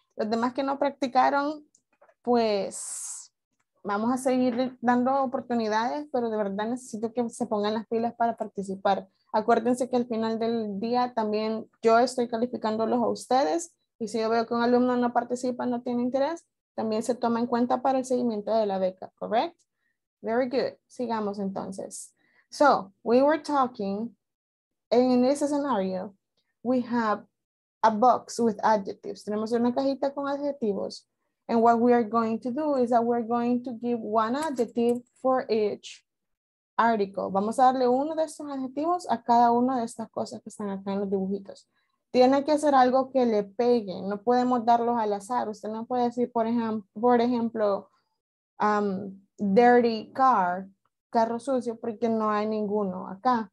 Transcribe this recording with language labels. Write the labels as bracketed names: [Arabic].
[Spanish] Los demás que no practicaron, pues vamos a seguir dando oportunidades, pero de verdad necesito que se pongan las pilas para participar. Acuérdense que al final del día también yo estoy calificándolos a ustedes y si yo veo que un alumno no participa, no tiene interés, también se toma en cuenta para el seguimiento de la beca, ¿correct? Very good. Sigamos entonces. [English] So, we were talking, and in this scenario, we have a box with adjectives. Tenemos una cajita con adjetivos. And what we are going to do is that we're going to give one adjective for each article. [Spanish] Vamos a darle uno de estos adjetivos a cada una de estas cosas que están acá en los dibujitos. Tiene que ser algo que le pegue. No podemos darlos al azar. Usted no puede decir, por ejemplo, dirty car, carro sucio, porque no hay ninguno acá.